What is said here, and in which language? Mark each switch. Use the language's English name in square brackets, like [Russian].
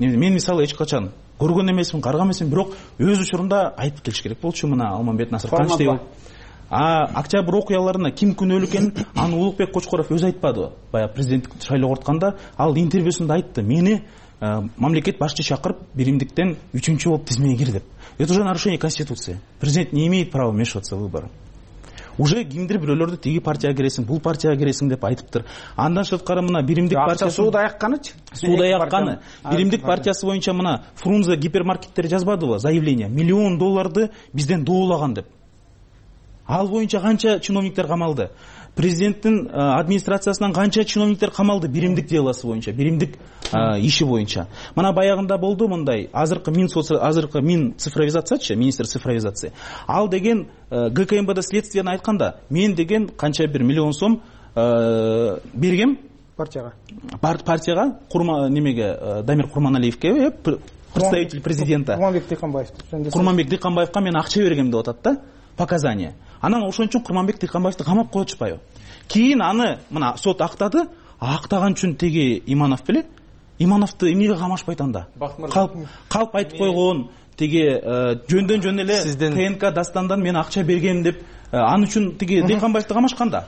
[Kyrgyz] Мен мисалы эч качан көргөн эмесмин, карган эмесмин, бирок өз учурунда айтып келиш керек болчу мына Алмамбет Насыр канчтай болуп октябрь окуяларына ким күнөөлүү экенин аны Улукбек Кочкоров өзү айтпады. Бая президенттик шайлоо кортканда ал интервьюсунда айтты. Мени мамлекет башчы чакырып биримдиктен үчүнчү болуп тизмеге кир деп. [Russian] Это же нарушение конституции. Президент не имеет права вмешиваться в выборы. [Kyrgyz] Уже кимдир бирөөлөрдү тиги партияга киресиң, бул партияга киресиң деп айтыптыр. Андан сырткары мына биримдик партиясы сууда аякканычы. Сууда аякканы. Биримдик партиясы боюнча мына Фрунзе гипермаркеттери жазбадыбы заявление? Миллион долларды бизден доолаган деп. Ал боюнча канча чиновниктер камалды? Президенттин администрациясынан канча чиновниктер камалды биримдик деласы боюнча, биримдик иши боюнча. Мына баягында болду мындай, азыркы мин цифровизациячы, [Russian] министр цифровизации. [Kyrgyz] Ал деген ГКМБда следствияны айтканда, мен деген канча бир миллион сом бергем партияга. Партияга Дамир Курманалиевке [Russian] представитель президента. [Kyrgyz] Курманбек Дыйканбаев. Курманбек Дыйканбаевка мен акча бергем деп атат да, показания. Анан ошон үчүн Курманбек Дыйканбаевди камап коюшпайбы. Кийин аны мына сот актады, актаган үчүн тиги Иманов беле. Имановду эмнеге камашпайт анда? Калп айтып койгон тиги жөндөн жөн эле ТНК дастандан мен акча бергем деп аны үчүн тиги Дыйканбаевди камашканда.